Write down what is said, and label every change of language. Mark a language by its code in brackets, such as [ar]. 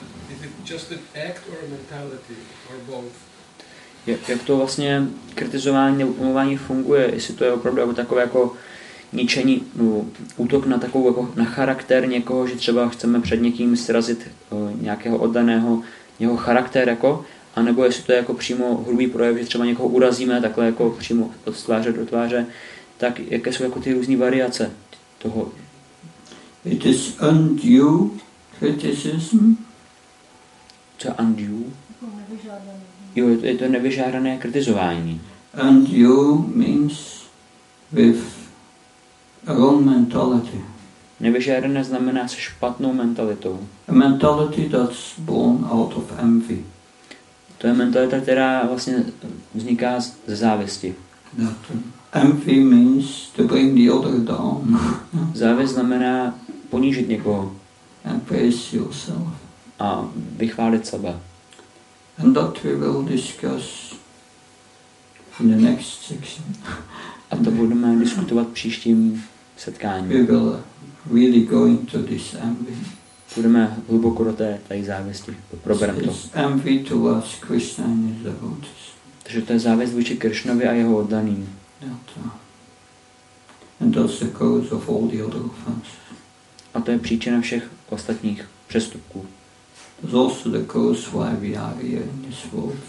[en] is it just an act or a mentality or both? [cs] Jak to vlastně kritizování nebo umlouvání funguje, jestli to je opravdu jako takové jako ničení, útok na takovou jako na charakter někoho, že třeba chceme před někým srazit nějakého oddaného jeho charakter jako, anebo jestli to je jako přímo hrubý projev, že třeba někoho urazíme takhle jako přímo od tváře do tváře, tak jaké jsou jako ty různé variace toho? [en] It is undue criticism. [cs] To je undue? Jo, je to nevyžádané kritizování. [en] And you means with a wrong mentality. [cs] Nevyžádané znamená se špatnou mentalitou. [en] A mentality that's born out of envy. [cs] To je mentalita, která vlastně vzniká ze závisti. [en] Envy means to bring the other down. [cs] Závist znamená ponížit někoho. [en] And praise yourself. [cs] A vychválit sebe. [en] And that we will discuss in the next section. [cs] A to budeme diskutovat v příštím setkání. [en] We will really go into this envy. [cs] Budeme hluboko do té závisti. Probereme to. [en] Envy towards Krishna and his devotees. [cs] Takže to je závist vůči Krishnovi a jeho oddaným. [en] And that's the cause of all the other offenses. [cs] A to je příčina všech ostatních přestupků. [en] It's also the cause why we are here in this world.